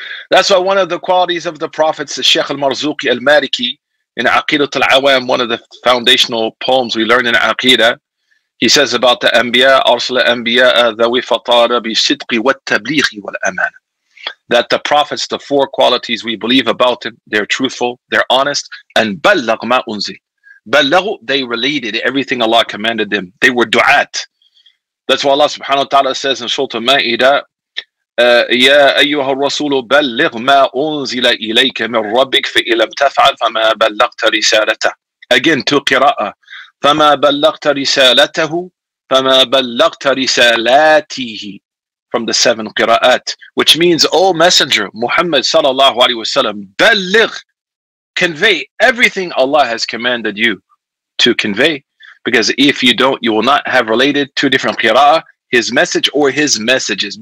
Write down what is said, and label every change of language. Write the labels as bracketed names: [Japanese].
[English] That's why one of the qualities of the prophets, Sheikh al-Marzuqi al-Maliki, in Aqidat al-Awam, one of the foundational poems we learn in Aqidah, he says about the Anbiya, [Arabic] أَرْسَلَ أَنْبِيَاءَ ذَوِي فَطَارَ بِصِدْقِ وَالتَّبْلِيغِ وَالْأَمَانَ, [English] that the prophets, the four qualities we believe about them, they're truthful, they're honest, and [Arabic] بَلَّغْ مَا أُنزِلْ. [English] بَلَّغُ, they related everything Allah commanded them. They were du'at. That's why Allah subhanahu wa ta'ala says in Surah Ma'idah, [Arabic] يا أيها الرسول بلغ ما أنزل إليك من ربك فإن لم تفعل فما بلغت رسالته. [English] Again, two قراءة. [Arabic] فما بلغت رسالته فما بلغت رسالاته. [English] From the seven قراءات, which means, O Messenger Muhammad sallallahu alaihi wasallam, بلغ, convey everything Allah has commanded you to convey. Because if you don't, you will not have related two different qira, his message or his messages.